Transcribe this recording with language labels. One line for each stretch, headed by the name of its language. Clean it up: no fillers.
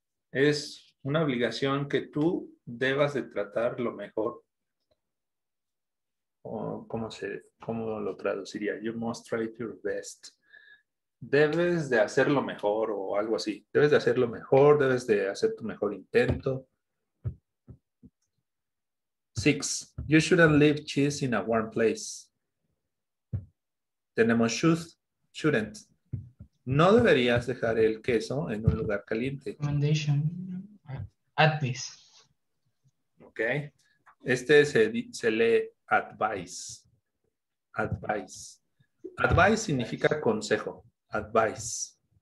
Spanish: Es una obligación que tú debas de tratar lo mejor. ¿Cómo lo traduciría?
English: You must try your best.
Spanish: Debes de hacer lo mejor o algo así. Debes de hacer lo mejor, debes de hacer tu mejor intento. 6.
English: You shouldn't leave cheese in a warm place.
Spanish: Tenemos shouldn't. No deberías dejar el queso en un lugar caliente.
English: Recommendation. Advice.
Spanish: Ok. Se lee advice. Advice. Advice significa consejo. Advice.